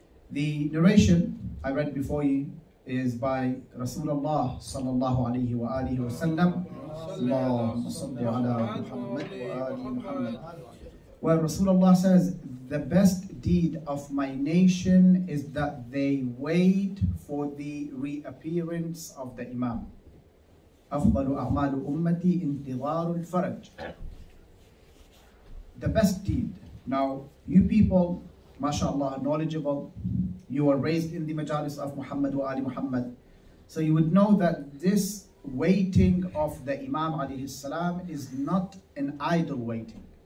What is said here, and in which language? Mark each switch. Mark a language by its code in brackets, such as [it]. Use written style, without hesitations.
[en] The narration I read before you is by Rasulullah Sallallahu Alaihi Wa Alihi Wasallam, Allahumma salli ala Muhammad wa ali Muhammad, where Rasulullah says, the best deed of my nation is that they wait for the reappearance of the Imam. [ar] أفضل أعمال أمتي انتظار الفرج. [en] The best deed. Now, you people, mashallah, knowledgeable. You were raised in the majalis of Muhammad wa Ali Muhammad. So you would know that this waiting of the Imam alayhi salam is not an idle waiting.